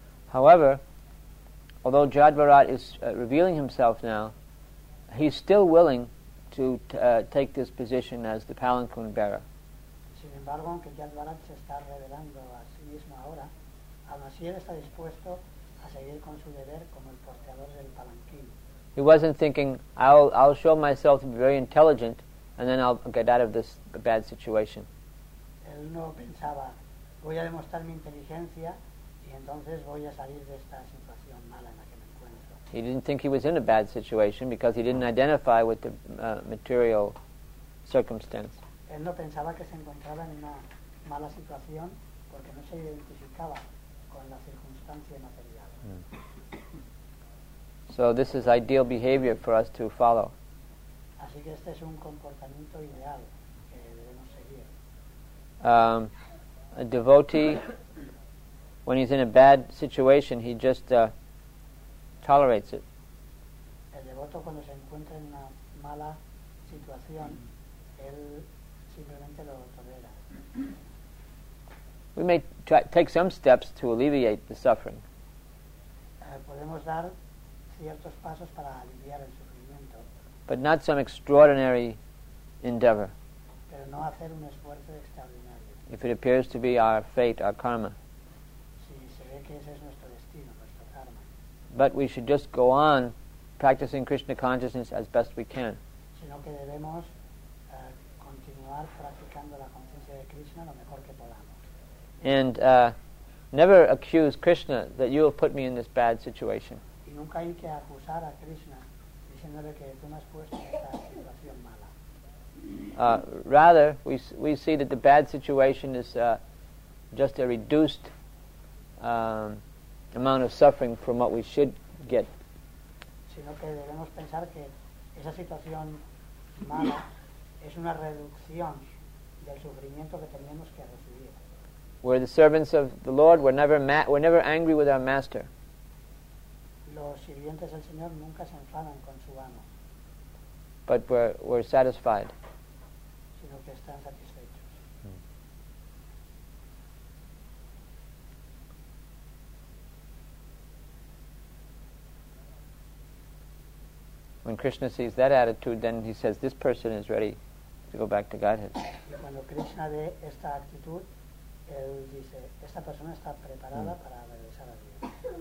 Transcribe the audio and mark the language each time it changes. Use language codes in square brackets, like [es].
[en] However, although Jad Bharat is revealing himself now, he's still willing to take this position as the palanquin bearer. [es] Sin embargo, aunque Jad Bharat se está revelando a sí mismo ahora, aún así él está dispuesto a seguir con su deber como el porteador del palanquín. [en] He wasn't thinking, I'll show myself to be very intelligent and then I'll get out of this bad situation. [es] Él no pensaba, voy a demostrar mi inteligencia y entonces voy a salir de esta situación mala en la que me encuentro. [en] He didn't think he was in a bad situation because he didn't identify with the material circumstance. [es] Él no pensaba que se encontraba en una mala situación porque no se identificaba con la circunstancia material. Mm. [en] So this is ideal behavior for us to follow. [es] Así que este es un comportamiento ideal que debemos seguir. [en] A devotee, when he's in a bad situation, he just tolerates it. [es] El devoto cuando se encuentra en una mala situación, él simplemente lo tolera. [en] We may take some steps to alleviate the suffering. [es] Podemos dar ciertos pasos para aliviar el sufrimiento. [en] But not some extraordinary endeavor. [es] Pero no hacer un esfuerzo extraordinario. [en] If it appears to be our fate, our karma. [es] Si se ve que ese es nuestro destino, nuestro karma. [en] But we should just go on practicing Krishna consciousness as best we can. [es] Sino que debemos continuar practicando la conciencia de Krishna lo mejor que podamos. [en] And never accuse Krishna that you have put me in this bad situation. [es] Y nunca hay que acusar a Krishna diciéndole que tú me has puesto en esta situación mala. [en] Rather, we see that the bad situation is just a reduced amount of suffering from what we should get. [es] Sino que debemos pensar que esa situación mala es una reducción del sufrimiento que tenemos que recibir. [en] We're the servants of the Lord, we're never angry with our master. [es] Los sirvientes del Señor nunca se enfadan con su amo. [en] But we're satisfied. [es] Sino que están satisfechos. Mm. [en] When Krishna sees that attitude, then he says, this person is ready to go back to Godhead. [es] Y cuando Krishna ve esta actitud, él dice, esta persona está preparada para regresar a Dios.